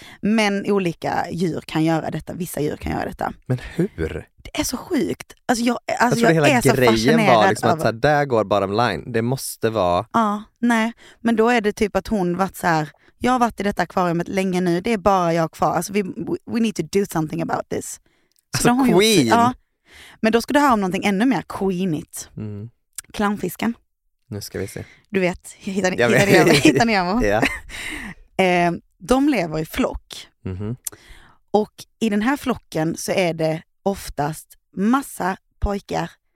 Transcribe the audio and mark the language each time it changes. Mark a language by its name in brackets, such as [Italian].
[Swedish] Men olika djur kan göra detta. Vissa djur kan göra detta. Men hur? Det är så sjukt. Alltså jag är så fascinerad. Var liksom att så här, där går [English] bottom line. [Swedish] Det måste vara... Ja, nej. Men då är det typ att hon varit så här, jag har varit i detta akvariumet länge nu. Det är bara jag kvar. [English] Alltså we need to do something about this. [Swedish] Så alltså queen! Ja. Men då ska du höra om någonting ännu mer queenigt. Mm. Clownfisken. Nu ska vi se. Du vet, hittar ni Nemo. Ja. De lever i flock. Mm-hmm. Och i den här flocken så är det oftast massa pojkar.